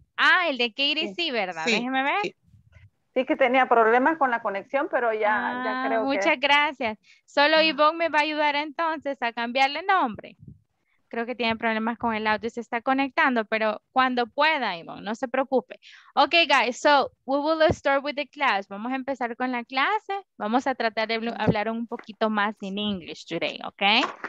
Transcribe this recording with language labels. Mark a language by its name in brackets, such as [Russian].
[Spanish] Ah, el de Katie sí, sí, ¿verdad? Sí, déjeme ver. Sí. Sí que tenía problemas con la conexión, pero ya, ya creo que... Muchas gracias. Solo Yvonne me va a ayudar entonces a cambiarle nombre. Creo que tiene problemas con el audio, se está conectando, pero cuando pueda, Yvonne, no se preocupe. [English] Ok, guys, so we will start with the class. [Spanish] Vamos a empezar con la clase. Vamos a tratar de hablar un poquito más en English today, ok?